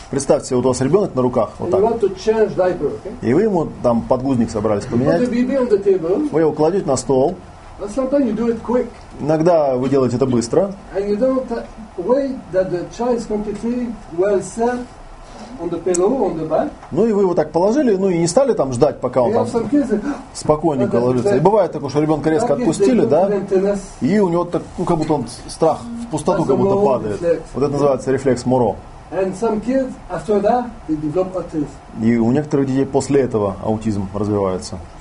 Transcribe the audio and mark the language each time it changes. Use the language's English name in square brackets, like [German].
[Russian] Представьте, вот у вас ребенок на руках, вот так. [English] You want to change diaper, okay? [Russian] И вы ему там подгузник собрались поменять. [English] You put the baby on the table. [Russian] Вы его кладете на стол. [English] And sometimes you do it quick. [Russian] Иногда вы делаете это быстро. [English] And you don't wait that the child is completely well set on the pillow, on the back. [Russian] Ну и вы его так положили, ну и не стали там ждать, пока он там спокойненько ложится. И бывает такое, что ребенка резко отпустили, да, и у него так, ну, как будто он страх в пустоту как будто падает. Вот это называется рефлекс Моро. И у некоторых детей после этого аутизм развивается.